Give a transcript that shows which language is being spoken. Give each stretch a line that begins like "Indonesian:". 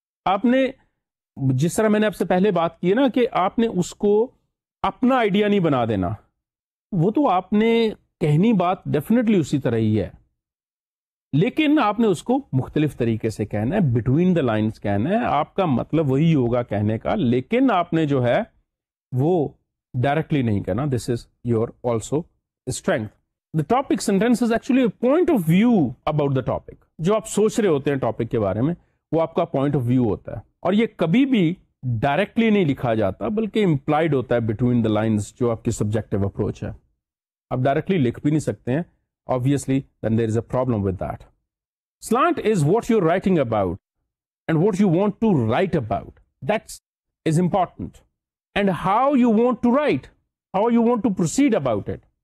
Urdu: آپ نے جس طرح میں نے آپ سے پہلے بات کی ہے نا, کہ آپ نے اس کو اپنا آئیڈیا نہیں بنا دینا, وہ تو آپ نے کہنی بات ڈیفینیٹلی اسی طرح ہی ہے, لیکن آپ نے اس کو مختلف طریقے سے کہنا ہے,
English: between the lines
Urdu: کہنا ہے. آپ کا مطلب وہی ہوگا کہنے کا, لیکن آپ نے جو ہے وہ ڈائریکٹلی نہیں کہنا.
English: This is your also strength. The topic sentence is actually a point of view about the topic.
Urdu: جو آپ سوچ رہے ہوتے ہیں ٹاپک کے بارے میں, وہ آپ کا پوائنٹ آف ویو ہوتا ہے. اور یہ کبھی بھی ڈائریکٹلی نہیں لکھا جاتا, بلکہ امپلائڈ ہوتا ہے
English: between the lines,
Urdu: جو آپ کی سبجیکٹو اپروچ ہے. آپ ڈائریکٹلی لکھ بھی نہیں سکتے ہیں,
English: obviously then there is a problem with that. Slant is what you're writing about and what you want to write about, that is important, and how you want to write, how you want to proceed about it.